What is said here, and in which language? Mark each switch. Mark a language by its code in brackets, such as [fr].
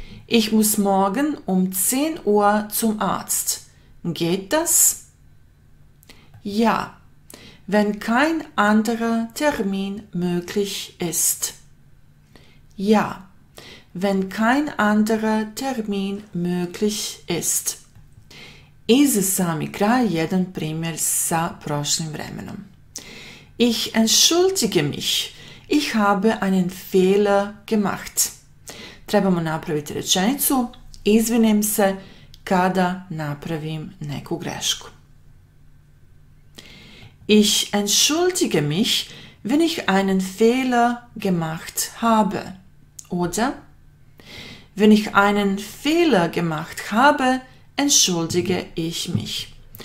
[de] Ich muss morgen um 10 Uhr zum Arzt. Geht das? Ja, wenn kein anderer Termin möglich ist. Ja, wenn kein anderer Termin möglich ist. [bs] I za sami kraj jedan primjer sa prošlim vremenom. [de] Ich entschuldige mich. Ich habe einen Fehler gemacht. [bs] Trebamo napraviti rečenicu. Izvinim se kada napravim neku grešku. [de] Ich entschuldige mich, wenn ich einen Fehler gemacht habe. Oder wenn ich einen Fehler gemacht habe, entschuldige ich mich.